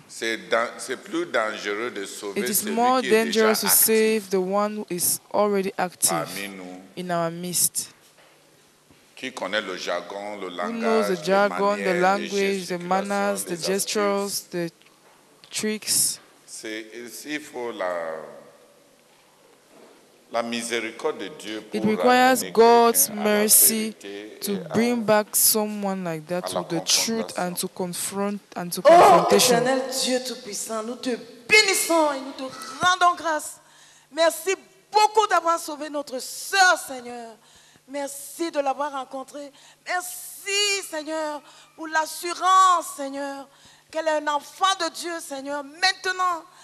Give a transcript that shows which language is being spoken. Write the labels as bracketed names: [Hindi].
[French] C'est plus dangereux de sauver. [English] It is more dangerous to save the one who is already active in our midst. [French] Qui connaît le jargon, le langage, [English] who knows the jargon, the language, the manners, the gestures, the tricks. [French] C'est il faut la miséricorde de Dieu pour [English] it requires God's mercy to bring back someone like that to the truth and to confront and to confrontation. [French] Oh, éternel Dieu Tout-Puissant, nous te bénissons et nous te rendons grâce. Merci beaucoup d'avoir sauvé notre sœur, Seigneur. Merci de l'avoir rencontrée. Merci, Seigneur, pour l'assurance, Seigneur, qu'elle est un enfant de Dieu, Seigneur, maintenant.